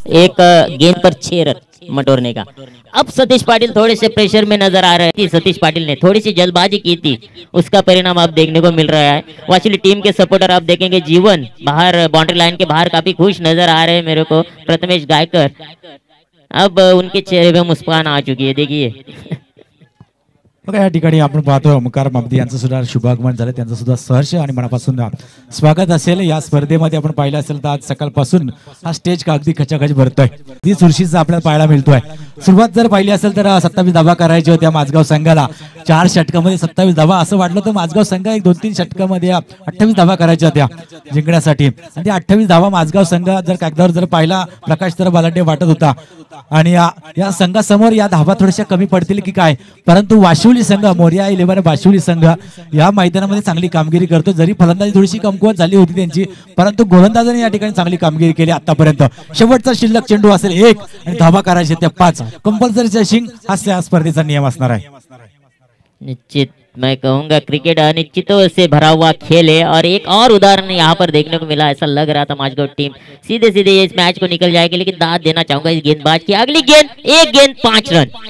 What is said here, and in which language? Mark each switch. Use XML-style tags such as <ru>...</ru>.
<hi>एक गेंद पर छह रन मटोरने का. अब सतीश पाटिल थोड़े से प्रेशर में नजर आ रहे थे. सतीश पाटिल ने थोड़ी सी जल्दबाजी की थी, उसका परिणाम आप देखने को मिल रहा है. वाचली टीम के सपोर्टर आप देखेंगे जीवन बाहर बाउंड्री लाइन के बाहर काफी खुश नजर आ रहे हैं मेरे को. प्रथमेश गायकर अब उनके चेहरे पे मुस्कान आ चुकी है. देखिए</hi> <mr>या ठिकाणी आपण पाहतो ओमकार मबदी यांचं सुद्धा शुभागमन झालं, त्यांचं सुद्धा सहर्ष आणि मनापासून स्वागत असेल. या स्पर्धेमध्ये आपण पाहिलं असेल तर आज सकाळपासून हा स्टेज का अगदी खचाखच भरतोय. ती चुरशीच आपल्याला पाहायला मिळतोय. सुरुवात जर पाहिली असेल तर 27 धावा करायची होती माझगाव संघाला. चार षटकामध्ये 27 धावा असं वाटलं तर माझगाव संघ एक दोन तीन षटकामध्ये 28 धावा करायच्या होत्या जिंकण्यासाठी. आणि ते 28 धावा माझगाव संघ जर कागदावर जर पाहिला प्रकाश तर बालाडे वाटत होता. आणि या संघासमोर या धावा थोड्याशा कमी पडतील की काय, परंतु वाशिवली संघ मोरिया इलेव्हन वाशिवली संघ या मैदानामध्ये चांगली कामगिरी करतो. जरी फलंदाजी थोडीशी कमकुवत झाली होती त्यांची, परंतु गोलंदाजाने या ठिकाणी चांगली कामगिरी केली. आतापर्यंत शेवटचा शिल्लक चेंडू असेल एक आणि धावा करायचे त्या पाच. कंपल्सरी चेसिंग हा या स्पर्धेचा नियम असणार आहे.</mr> <hi>निश्चित मैं कहूंगा क्रिकेट अनिश्चितों से भरा हुआ खेल है. और एक और उदाहरण यहाँ पर देखने को मिला, ऐसा लग रहा था माझगाव टीम सीधे सीधे इस मैच को निकल जाएगी, लेकिन दाद देना चाहूंगा इस गेंदबाज की. अगली गेंद एक गेंद पांच रन.</hi>